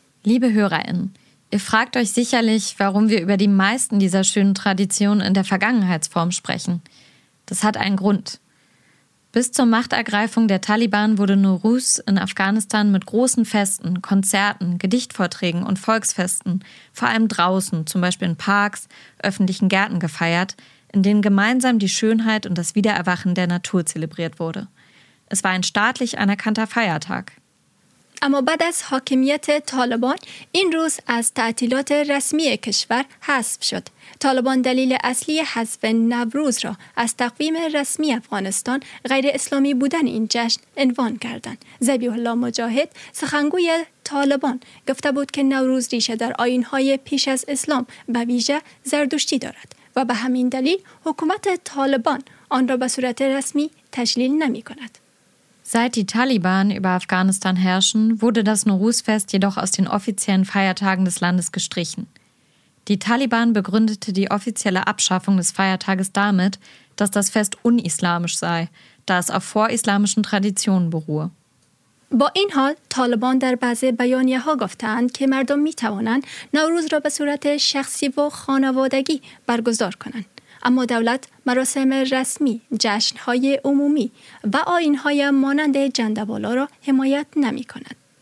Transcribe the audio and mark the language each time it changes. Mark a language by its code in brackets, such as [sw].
[de] Liebe Hörerinnen, ihr fragt euch sicherlich, warum wir über die meisten dieser schönen Traditionen in der Vergangenheitsform sprechen. Das hat einen Grund. Bis zur Machtergreifung der Taliban wurde Nowruz in Afghanistan mit großen Festen, Konzerten, Gedichtvorträgen und Volksfesten, vor allem draußen, zum Beispiel in Parks, öffentlichen Gärten gefeiert, in denen gemeinsam die Schönheit und das Wiedererwachen der Natur zelebriert wurde. Es war ein staatlich anerkannter Feiertag. [fa] اما بعد از حاکمیت طالبان این روز از تعطیلات رسمی کشور حذف شد. طالبان دلیل اصلی حذف نوروز را از تقویم رسمی افغانستان غیر اسلامی بودن این جشن عنوان کردند. ذبیح الله مجاهد سخنگوی طالبان گفته بود که نوروز ریشه در آیین‌های پیش از اسلام به ویژه زردشتی دارد و به همین دلیل حکومت طالبان آن را به صورت رسمی تجلیل نمی کند. [de] Seit die Taliban über Afghanistan herrschen, wurde das Nowruz-Fest jedoch aus den offiziellen Feiertagen des Landes gestrichen. Die Taliban begründete die offizielle Abschaffung des Feiertages damit, dass das Fest unislamisch sei, da es auf vorislamischen Traditionen beruhe. [fa] با این حال، طالبان در بعضی بیانیه‌ها گفتند که مردم می‌توانند نوروز را به صورت شخصی و خانوادگی برگزار کنند. اما دولت مراسم رسمی، جشن‌های عمومی و آیین‌های مانند جندبالا را حمایت نمی‌کند.